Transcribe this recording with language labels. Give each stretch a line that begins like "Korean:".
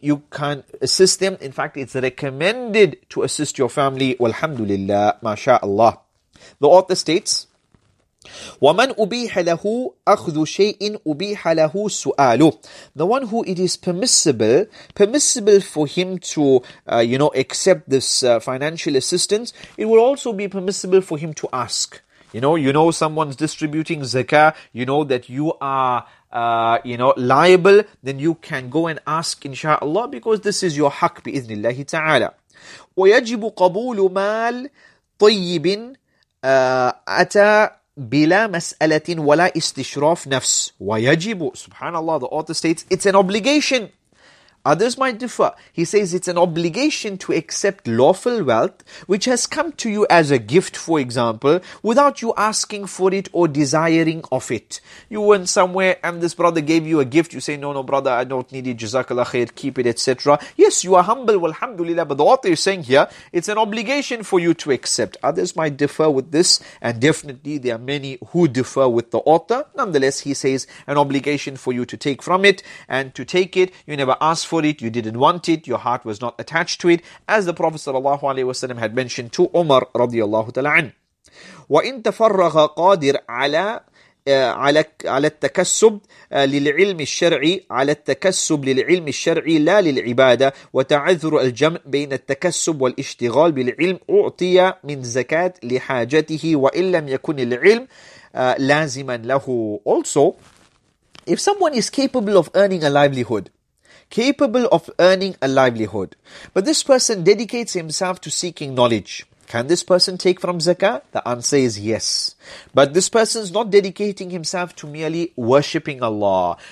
English: You can assist them. In fact, it's recommended to assist your family. Walhamdulillah, mashallah. The author states,
Arabic: وَمَنْ أُبِيحَ لَهُ أَخْذُ شَيْءٍ أُبِيحَ لَهُ سُؤَالُ.
English: The one who it is permissible for him to, accept this financial assistance, it will also be permissible for him to ask. You know, someone's distributing zakah, you know that you are, liable, then you can go and ask, inshallah, because this is your haqq,
Arabic: بِإِذْنِ اللَّهِ تَعَالَى. وَيَجِبُ قَبُولُ مَالْ طَيِّبٍ أَتَى بلا مسألة ولا استشراف نفس ويجب.
English: Subhanallah, the author states, it's an obligation. Others might differ. He says it's an obligation to accept lawful wealth, which has come to you as a gift, for example, without you asking for it or desiring of it. You went somewhere and this brother gave you a gift. You say, no, no, brother, I don't need it. Jazakallah khair, keep it, etc. Yes, you are humble. Walhamdulillah. But the author is saying here, it's an obligation for you to accept. Others might differ with this. And definitely there are many who differ with the author. Nonetheless, he says an obligation for you to take from it and to take it. You never ask for it, you didn't want it, your heart was not attached to it, as the Prophet sallallahu alaihi wasallam had mentioned to Umar radiyallahu ta'ala an.
Arabic: وَإِن تَفَرَّغَ قَادِرْ عَلَىٰ على التكسب للعلم الشرعي على التكسب للعلم الشرعي لا للعبادة وتعذر الجمع بين التكسب والاشتغال بالعلم أعطي من زكاة لحاجته وإن لم يكن العلم لازما له.
English: Also, if someone is capable of earning a livelihood, capable of earning a livelihood, but this person dedicates himself to seeking knowledge, can this person take from zakah? The answer is yes. But this person is not dedicating himself to merely worshipping Allah.